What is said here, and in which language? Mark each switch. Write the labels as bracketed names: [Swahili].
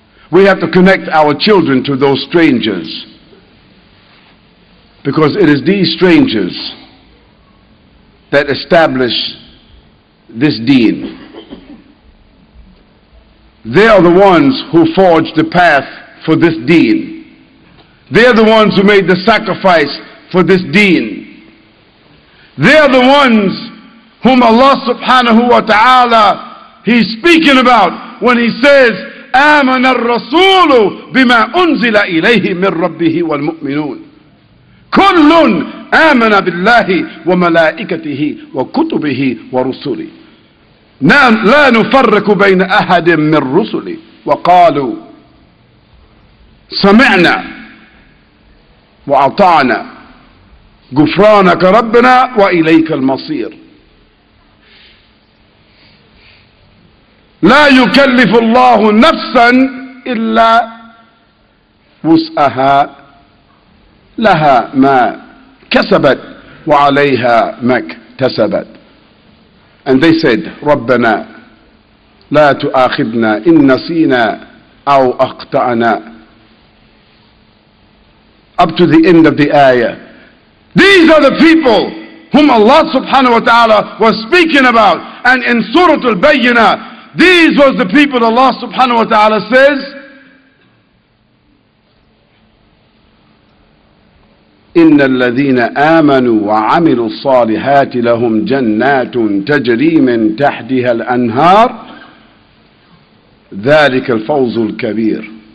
[English] We have to connect our children to those strangers. Because it is these strangers that establish this deen. They are the ones who forged the path for this deen. They are the ones who made the sacrifice for this deen. They are the ones whom Allah subhanahu wa ta'ala, he's speaking about when he says, [Arabic] آمَنَ الرَّسُولُ بِمَا أُنزِلَ إِلَيْهِ مِنْ رَبِّهِ وَالْمُؤْمِنُونَ كُلٌّ آمَنَ بِاللَّهِ وَمَلَائِكَتِهِ وَكُتُبِهِ وَرُسُلِهِ لا نفرق بين أحد من رسله وقالوا سمعنا وأطعنا غفرانك ربنا وإليك المصير لا يكلف الله نفسا إلا وسعها لها ما كسبت وعليها ما اكتسبت. [English] And they said, [Arabic] رَبَّنَا لَا تُؤَاخِذْنَا إِن نَسِيْنَا أَوْ أَخْطَأْنَا. [English] Up to the end of the ayah. These are the people whom Allah subhanahu wa ta'ala was speaking about. And in Surah Al-Bayyinah, these was the people Allah subhanahu wa ta'ala says, [Arabic] إن الذين آمنوا وعملوا الصالحات لهم جنات تجري من تحتها الأنهار ذلك الفوز الكبير.